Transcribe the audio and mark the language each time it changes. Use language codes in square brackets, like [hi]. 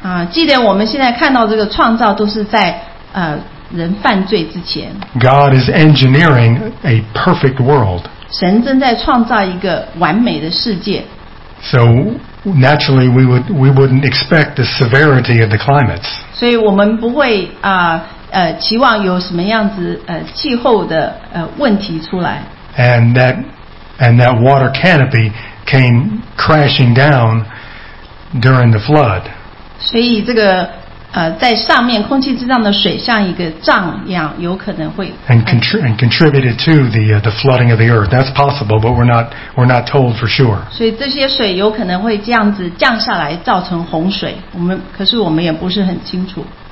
[zh] 记得我们现在看到这个创造都是在人犯罪之前。 [en] God is engineering a perfect world. [zh] 神正在创造一个完美的世界。 [en] So naturally we wouldn't expect the severity of the climates. [zh] 所以我们不会啊期望有什么样子气候的问题出来。 [en] And that water canopy came crashing down during the flood. [zh] 所以这个在上面空气之上的水像一个帐一样，有可能会。 [en] And contributed to the flooding of the earth. That's possible, but we're not told for sure. [zh] 所以这些水有可能会这样子降下来，造成洪水。可是我们也不是很清楚。